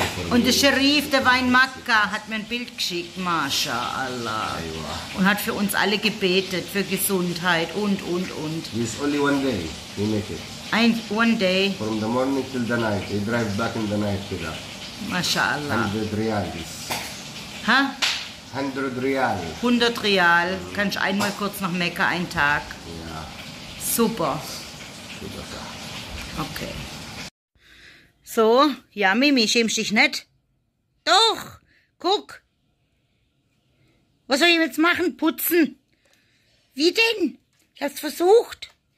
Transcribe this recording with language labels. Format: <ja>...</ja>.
<de>Und der Sharif, der war in Makka, hat mir ein Bild geschickt,</de> <ar>Masha Allah.</ar> <de>Und hat für uns alle gebetet, für Gesundheit und.</de> <en>It's only one day, we make it. One day. From the morning till the night, we drive back in the night to that.</en> <ar>Masha Allah.</ar> <en>100 reals. Ha? 100 real.</en> <de>100 real, kannst einmal kurz nach Mekka einen Tag. Super. Okay. So, ja, Mimi, schämst dich nicht? Doch, guck. Was soll ich jetzt machen? Putzen? Wie denn? Ich hab's versucht.</de>